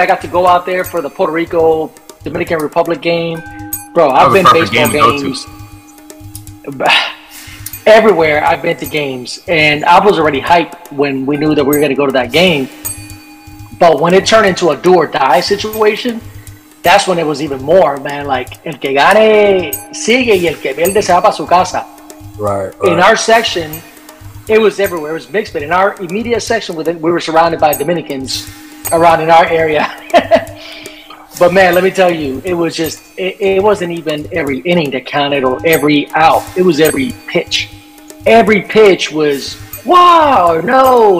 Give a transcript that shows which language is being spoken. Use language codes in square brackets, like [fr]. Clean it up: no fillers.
[en] I got to go out there for the Puerto Rico, Dominican Republic game. Bro, I've been baseball games. Everywhere I've been to games, and I was already hyped when we knew that we were going to go to that game. But when it turned into a do or die situation, that's when it was even more, man. [es] Like, el que gane sigue y el que pierde se va para su casa. [en] Right. In our section, it was everywhere. It was mixed, but in our immediate section, we were surrounded by Dominicans around in our area. But man, let me tell you, it was just, it wasn't even every inning that counted or every out. It was every pitch. Every pitch was, wow, no.